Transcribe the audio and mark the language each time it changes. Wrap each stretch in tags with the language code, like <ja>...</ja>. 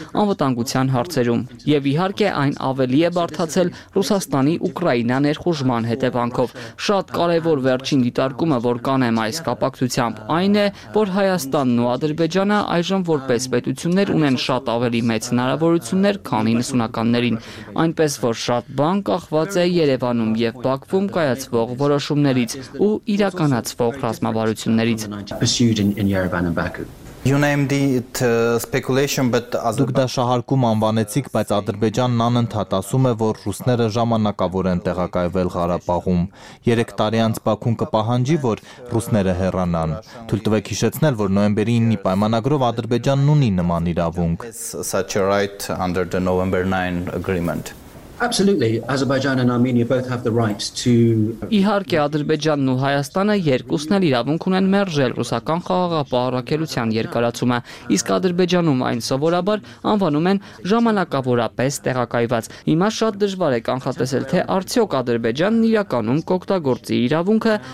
<hy>անվտանգության հարցերում, եւ իհարկե այն ավելի է բարդացել Ռուսաստանի Ուկրաինա ներխուժման հետևանքով։ Շատ կարևոր վերջին դիտարկումը, որ կանեմ այս կապակցությամբ, այն է, որ Հայաստանն ու Ադրբեջանը այժմ որպես պետություններ ունեն շատ ավելի մեծ հնարավորություններ, քան 90-ականներին, այնպես որ շատ բան կախված է Երևանում եւ Բաքվում կայացվող որոշումներից ու իրականացվող ռազմավարություններից։</hy> <en>You named it speculation, but</en> <hy>Դուք դա շահարկում անվանեցիք, բայց Ադրբեջանն անընդհատ ասում է, որ ռուսները ժամանակավոր են տեղակայվել Ղարաբաղում։ 3 տարի անց Բաքուն կպահանջի, որ ռուսները հեռանան։ Թույլ տվեք հիշեցնել, որ նոյեմբերի 9-ի պայմանագրով Ադրբեջանն ունի նման իրավունք։</hy> <en>Such a right under the November 9 agreement. Absolutely. Azerbaijan and Armenia both have the right to</en> <hy>Իհարկե Ադրբեջանն ու Հայաստանը երկուսն էլ իրավունք ունեն մերժել ռուսական խաղաղապահ առաքելության երկարացումը, իսկ Ադրբեջանում այն սովորաբար անվանում են ժամանակավորապես տեղակայված։ Հիմա շատ դժվար է կանխատեսել, թե արդյոք Ադրբեջանն իրականում կօգտագործի իրավունքը</hy>